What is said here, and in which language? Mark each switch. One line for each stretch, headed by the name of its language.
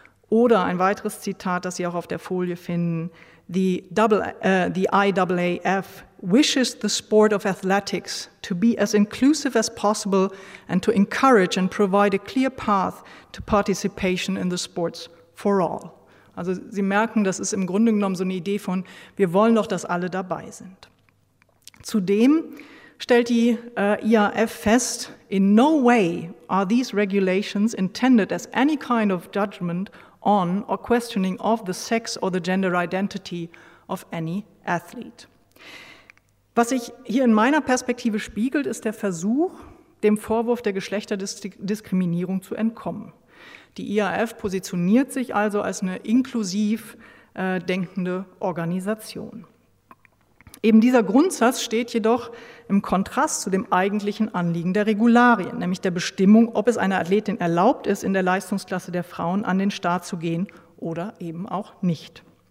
German: Oder ein weiteres Zitat, das Sie auch auf der Folie finden,
English: the IAAF wishes the sport of athletics to be as inclusive as possible and to encourage and provide a clear path to participation in the sports for all.
German: Also Sie merken, das ist im Grunde genommen so eine Idee von, wir wollen doch, dass alle dabei sind. Zudem stellt die IAF fest,
English: in no way are these regulations intended as any kind of judgment on or questioning of the sex or the gender identity of any athlete.
German: Was sich hier in meiner Perspektive spiegelt, ist der Versuch, dem Vorwurf der Geschlechterdiskriminierung zu entkommen. Die IAF positioniert sich also als eine inklusiv denkende Organisation. Eben dieser Grundsatz steht jedoch im Kontrast zu dem eigentlichen Anliegen der Regularien, nämlich der Bestimmung, ob es einer Athletin erlaubt ist, in der Leistungsklasse der Frauen an den Start zu gehen oder eben auch nicht.